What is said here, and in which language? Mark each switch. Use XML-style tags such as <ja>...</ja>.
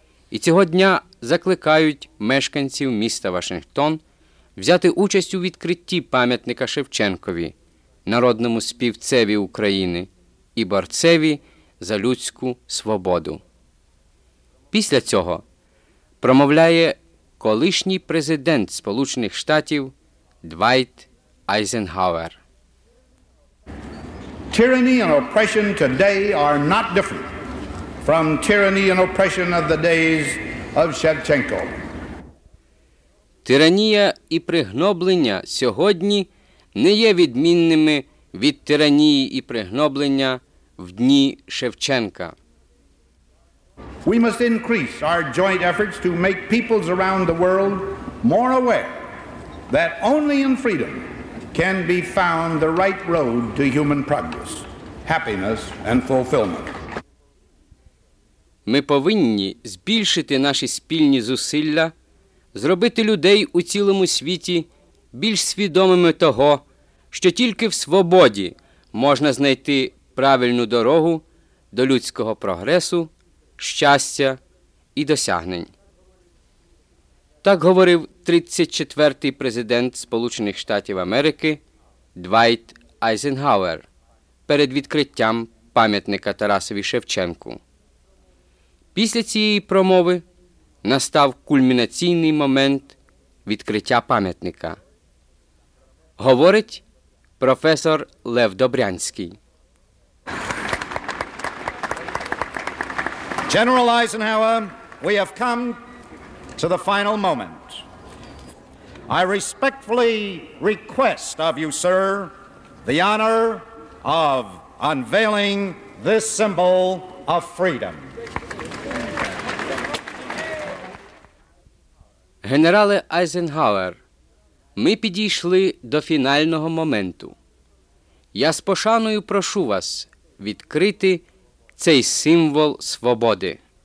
<uk>І цього дня закликають мешканців міста Вашингтон взяти участь у відкритті пам'ятника Шевченкові, народному співцеві України і борцеві за людську свободу. Після цього промовляє колишній президент Сполучених Штатів Двайт Айзенхауер.</uk> <en>Tyranny and oppression today are not different from tyranny and oppression of the days of Shevchenko.</en> <uk>Тиранія і пригноблення сьогодні не є відмінними від тиранії і пригноблення в дні Шевченка.</uk> <en>We must increase our joint efforts to make peoples around the world more aware that only in freedom can be found the right road to human progress, happiness and fulfillment.</en> <uk>Ми повинні збільшити наші спільні зусилля, зробити людей у цілому світі більш свідомими того, що тільки в свободі можна знайти правильну дорогу до людського прогресу, щастя і досягнень. Так говорив 34-й президент Сполучених Штатів Америки Двайт Айзенхауер перед відкриттям пам'ятника Тарасові Шевченку. Після цієї промови настав кульмінаційний момент відкриття пам'ятника. Говорить професор Лев Добрянський.</uk> <en>General Eisenhower, we have come to the final moment. I respectfully request of you, sir, the honor of unveiling this symbol of freedom.</en> <uk>Генерале Айзенхауер, ми підійшли до фінального моменту. Я з пошаною прошу вас відкрити цей символ свободи.</uk>